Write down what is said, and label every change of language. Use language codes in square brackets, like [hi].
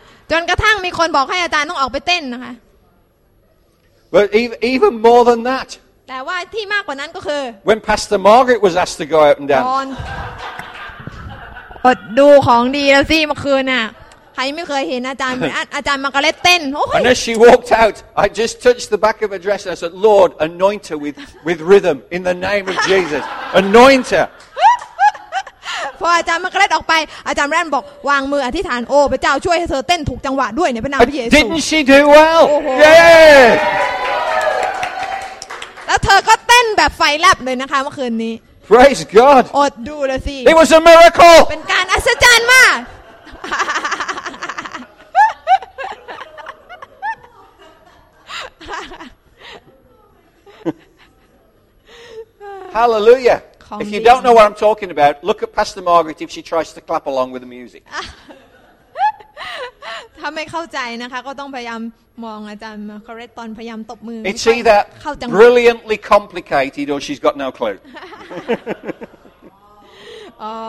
[th] จนกระทั่งมีคนบอกให้อาจารย์ต้องออกไปเต้นนะคะ [en] But even more than that [th] แต่ว่าที่มากกว่านั้นก็คือ [en] When Pastor Margaret was asked to go out and dance [th] อดดูของดีแล้วสิเมื่อคืนน่ะใครไม่เคยเห็นอาจารย์มาก็เล่นเต้นโอ้ย [en] And as she walked out I just touched the back of her dress and I said Lord anoint her with rhythm in the name of Jesus anoint her [th] พออาจารย์มาก็เล่นออกไปอาจารย์แรนบอกวางมืออธิษฐานโอ้พระเจ้าช่วยให้เธอเต้นถูกจังหวะด้วยในพระนามพระเยซู [en] Didn't she do well [th] Yeah แล้วเธอก็เต้นแบบไฟแลบเลยนะคะเมื่อคืนนี้ [en] Praise God [th] อดดูละสิ [en] It was a miracle [th] เป็นการอัศจรรย์มาก [en] Hallelujah. If you don't know what I'm talking about, look at Pastor Margaret if she tries to clap along with the music. [th] ถ้าไม่เข้าใจนะคะก็ต้องพยายามมองอาจารย์คอร์เรตตอนพยายามตบมือ [en] It's either brilliantly complicated or she's got no clue. Oh.